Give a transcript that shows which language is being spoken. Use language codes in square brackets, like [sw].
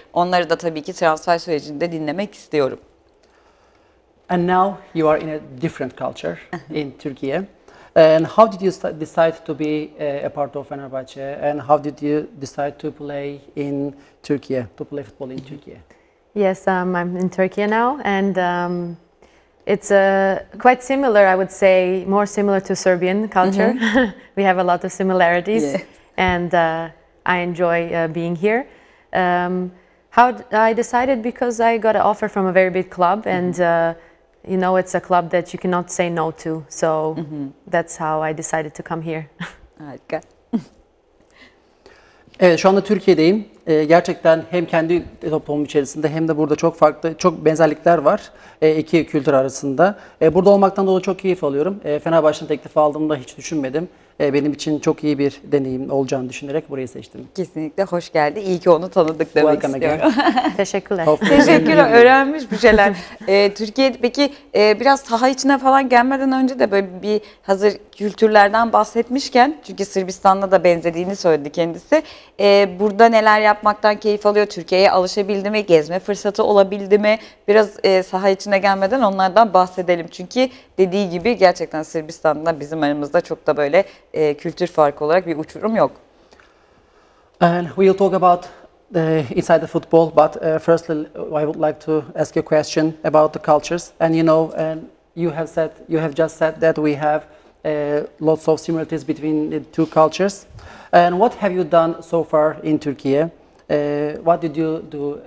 [tr] Onları da tabii ki transfer sürecinde dinlemek istiyorum. [en] And now you are in a different culture in Turkey. And how did you decide to be a part of Fenerbahce? And how did you decide to play in Turkey, to play football in Turkey? Yes, I'm in Turkey now. And it's quite similar, I would say, more similar to Serbian culture. We have a lot of similarities. Yeah. And I enjoy being here. How I decided, because I got an offer from a very big club. And you know, it's a club that you cannot say no to. So that's how I decided to come here. [tr] Harika. Evet, şu anda Türkiye'deyim. Gerçekten hem kendi toplumum içerisinde hem de burada çok farklı, çok benzerlikler var iki kültür arasında. Burada olmaktan dolayı çok keyif alıyorum. Fenerbahçe'nin teklifi aldığımda hiç düşünmedim. benim için çok iyi bir deneyim olacağını düşünerek burayı seçtim. Kesinlikle hoş geldi. İyi ki onu tanıdık demek Welcome istiyorum. Teşekkürler. Teşekkürler. Öğrenmiş bir şeyler. Türkiye'de peki biraz saha içine falan gelmeden önce de böyle bir hazır kültürlerden bahsetmişken, çünkü Sırbistan'la da benzediğini söyledi kendisi. Burada neler yapmaktan keyif alıyor? Türkiye'ye alışabildi mi? Gezme fırsatı olabildi mi? Biraz saha içine gelmeden onlardan bahsedelim. Çünkü dediği gibi gerçekten Sırbistan'la bizim aramızda çok da böyle kültür farkı olarak bir uçurum yok. [en] And we'll talk about inside the football, but firstly I would like to ask you a question about the cultures. And you know, and you have just said that we have lots of similarities between the two cultures. And what have you done so far in Turkey? What did you do?